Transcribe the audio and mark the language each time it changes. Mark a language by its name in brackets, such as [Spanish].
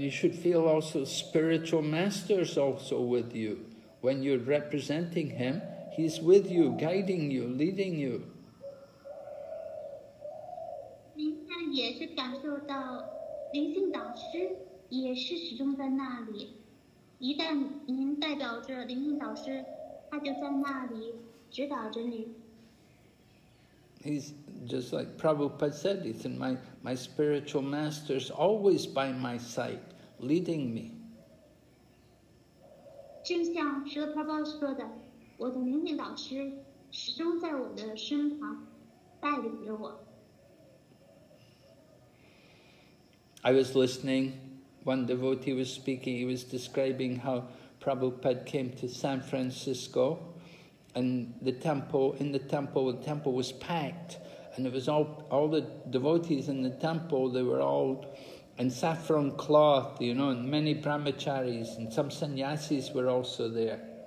[English] you should feel also spiritual masters also with you. When you're representing him, he's with you, guiding you, leading you. [Chinese] 也是感受到灵性导师也是始终在那里，一旦您代表着灵性导师，他就在那里指导着你。 [English] He's just like Prabhupada said, it's in my spiritual master's always by my side, leading me. [Chinese] 正像舍勒帕巴说的，我的灵性导师始终在我的身旁带领着我。 [English] I was listening, one devotee was speaking, he was describing how Prabhupada came to San Francisco and the temple was packed, and it was all the devotees in the temple, they were all in saffron cloth, you know, and many brahmacharis and some sannyasis were also there.